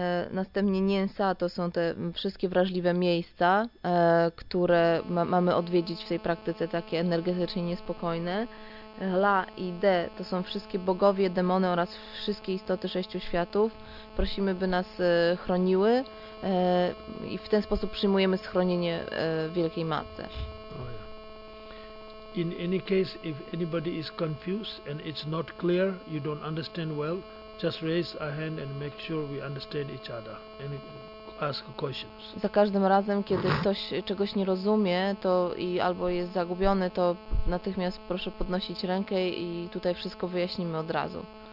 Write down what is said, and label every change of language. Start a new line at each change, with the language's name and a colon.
Polish: Następnie Nyensa to są te wszystkie wrażliwe miejsca, które mamy odwiedzić w tej praktyce, takie energetycznie niespokojne. La i De to są wszystkie bogowie, demony oraz wszystkie istoty sześciu światów. Prosimy, by nas chroniły i w ten sposób przyjmujemy schronienie Wielkiej Matce.
English: In any case, if anybody is confused and it's not clear, you don't understand well, just raise a hand and make sure we understand each other and ask questions.
Polish: Za każdym razem, kiedy ktoś czegoś nie rozumie, to i albo jest zagubiony, to natychmiast proszę podnosić rękę i tutaj wszystko wyjaśnimy od razu.